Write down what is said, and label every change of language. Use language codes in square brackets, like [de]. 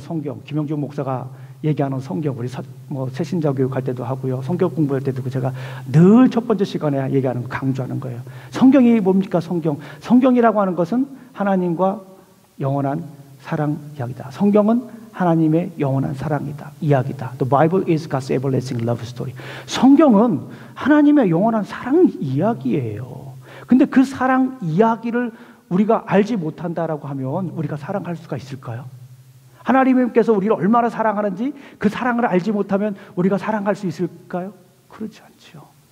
[ko] 성경, 김영중 목사가 얘기하는 성경, 우리 새신자 교육할 때도 하고요, 성경 공부할 때도 제가 늘 첫 번째 시간에 얘기하는 거, 강조하는 거예요. 성경이 뭡니까? 성경, 성경이라고 하는 것은 하나님과 영원한 사랑 이야기다. 성경은 하나님의 영원한 사랑이다, 이야기다. [en] The Bible is God's everlasting love story. [ko] 성경은 하나님의 영원한 사랑 이야기예요. 근데 그 사랑 이야기를 우리가 알지 못한다라고 하면 우리가 사랑할 수가 있을까요? 하나님께서 우리를 얼마나 사랑하는지 그 사랑을 알지 못하면 우리가 사랑할 수 있을까요? 그렇지 않죠.